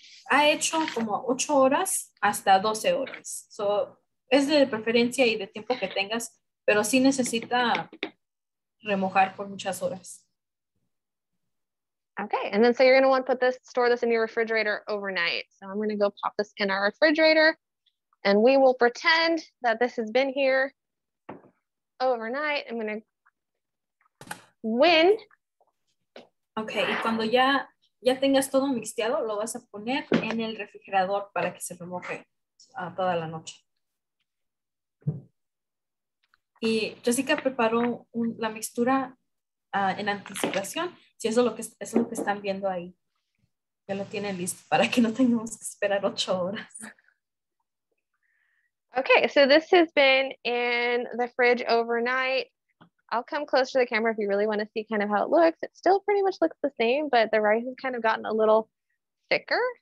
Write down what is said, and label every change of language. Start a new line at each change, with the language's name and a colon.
Spanish: Ha hecho como 8 horas hasta 12 horas. So, es de preferencia y de tiempo que tengas, pero sí necesita remojar por muchas horas.
English: Okay, and then so you're gonna want to store this in your refrigerator overnight. So I'm gonna go pop this in our refrigerator and we will pretend that this has been here overnight. I'm gonna win.
Spanish: Okay, y cuando ya tengas todo mixteado, lo vas a poner en el refrigerador para que se remoje toda la noche. Y Jessica preparó la mixtura en anticipación. Si eso es lo que están viendo ahí, ya lo tienen listo para que no tengamos que esperar 8 horas.
English: Okay, so this has been in the fridge overnight. I'll come close to the camera if you really want to see kind of how it looks. It still pretty much looks the same, but the rice has kind of gotten a little thicker.